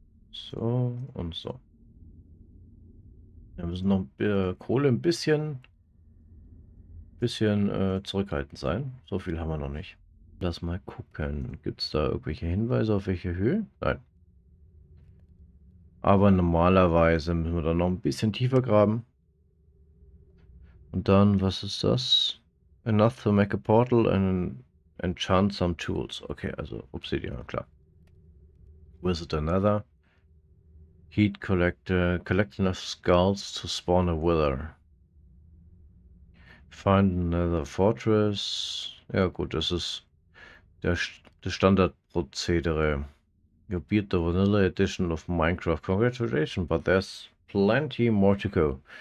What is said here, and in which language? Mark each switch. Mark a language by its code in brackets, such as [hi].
[de] So und so. Wir müssen noch ein bisschen Kohle ein bisschen zurückhaltend sein. So viel haben wir noch nicht. Lass mal gucken. Gibt es da irgendwelche Hinweise auf welche Höhe? Nein. Aber normalerweise müssen wir dann noch ein bisschen tiefer graben. Und dann, was ist das? [en] Enough to make a portal and enchant some tools. [de] Okay, also Obsidian, klar. [en] Visit another. Heat collector. Collect enough skulls to spawn a wither. Find another fortress. [de] Ja, gut, das ist der Standardprozedere. [en] You beat the Vanilla Edition of Minecraft. Congratulations, but there's plenty more to go.